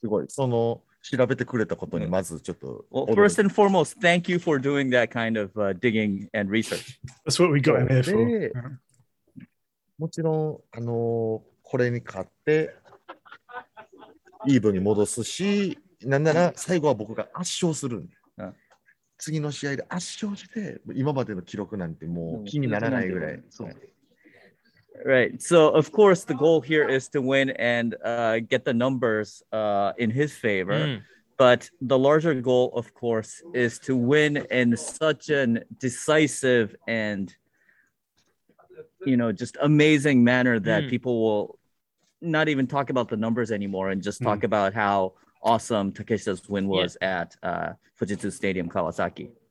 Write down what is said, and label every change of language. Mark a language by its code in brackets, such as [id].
[ja] 調べてくれたことにまずちょっと [en] well, first and foremost, thank you for doing that kind of digging and research. That's what we got in here for. [ja] もちろんこれに勝ってイーブンに戻すし、なんなら最後は僕が圧勝する。次の試合で圧勝して今までの記録なんてもう気にならないぐらい。 [en] Right. So, of course, the goal here is to win and get the numbers in his favor. Mm. But the larger goal, of course, is to win in such a decisive and, you know, just amazing manner that people will not even talk about the numbers anymore and just talk about how awesome Takeshita's win was at Fujitsu Stadium Kawasaki.